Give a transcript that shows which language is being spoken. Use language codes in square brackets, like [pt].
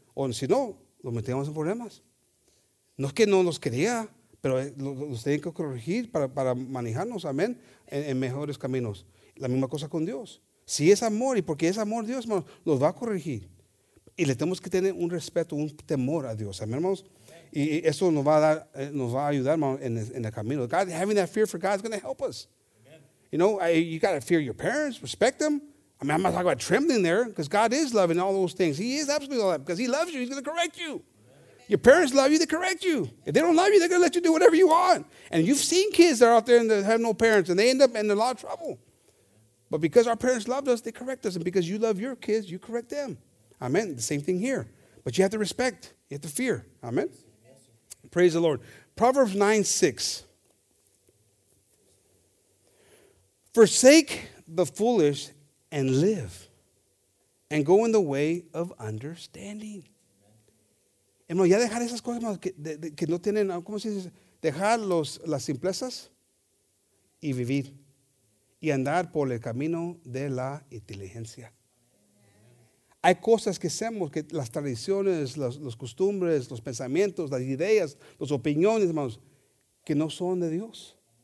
[es] O si no, nos metíamos en problemas. No es que no nos quería, pero los tienen que corregir para manejarnos, amén, en mejores caminos. La misma cosa con Dios. Si es amor, y porque es amor Dios, hermanos, nos va a corregir. Y le tenemos que tener un respeto, un temor a Dios, amén, hermanos. Y eso nos va a ayudar, hermanos, en el camino. [en] God, having that fear for God is going to help us. Amen. You know, you got to fear your parents, respect them. I mean, I'm not talking about trembling there, because God is loving all those things. He is absolutely all that, because he loves you. He's going to correct you. Your parents love you, they correct you. If they don't love you, they're going to let you do whatever you want. And you've seen kids that are out there and have no parents, and they end up in a lot of trouble. But because our parents loved us, they correct us. And because you love your kids, you correct them. Amen. The same thing here. But you have to respect. You have to fear. Amen. Yes, praise the Lord. Proverbs 9:6. Forsake the foolish and live, and go in the way of understanding. [es] Hermano, ya dejar esas cosas, hermano, que no tienen, ¿cómo se dice? Dejar las simplezas y vivir. Y andar por el camino de la inteligencia. Hay cosas que hacemos, que las tradiciones, las costumbres, los pensamientos, las ideas, las opiniones, hermanos, que no son de Dios.